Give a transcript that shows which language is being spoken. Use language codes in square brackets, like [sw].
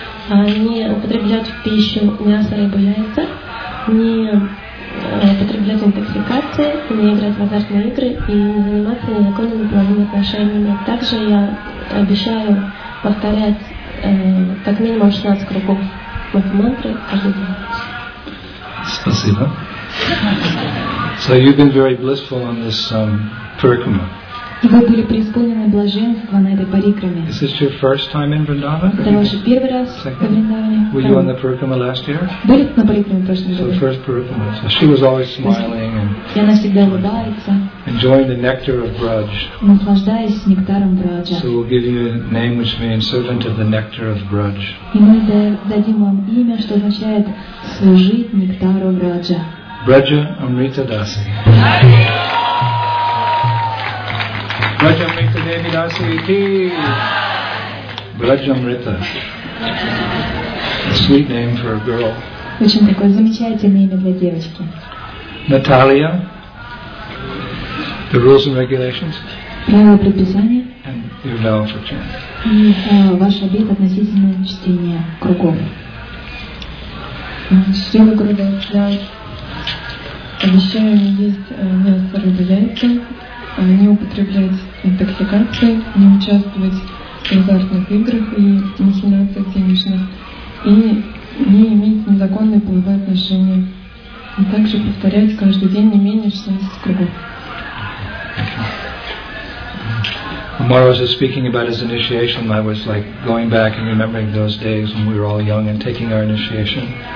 [ru] Не употреблять в пищу мясо, рыбу, яйца. Не употреблять интоксикации, не играть в азартные игры и не заниматься незаконными половыми отношениями. Также я обещаю повторять как минимум 16 кругов моей мантры каждый день. Спасибо. [en] So you've been very blissful on this parikrama. [ru] И вы были преисполнены блаженства на этой парикраме. [en] Is this your first time in Vrindavan? [ru] Это ваш первый раз в Вриндаване? [en] Were you on the parikrama last year? [ru] Были на парикраме в прошлом году. [en] So first parikrama. So she was always smiling and. [ru] И она всегда улыбается. [en] Enjoying the nectar of Braj. [ru] Наслаждаясь нектаром Браджа. [en] So we'll give you a name which means servant of the nectar of Braj. [ru] И мы дадим вам имя, что означает служить нектару Браджа. [en] Braja Amrita Dasi. Braja Amrita Devi Dasi Ki. Braja Amrita. A sweet name for a girl. [ru] Очень такое замечательное имя для девочки. [en] Natalia. The rules and regulations. [ru] Правила и предписания. [en] And your vow for chant. [ru] Ваш обет относительно чтения кругов. Чтение кругов. Обещаю не есть мясо рыбы яйца, не употреблять интоксикации, не участвовать в азартных играх и махинациях денежных, и не иметь незаконные половые отношения. И также повторять каждый день не менее 16 кругов. [en] Amaro was speaking about his initiation. I was like going back and remembering those days when we were all young and taking our initiation.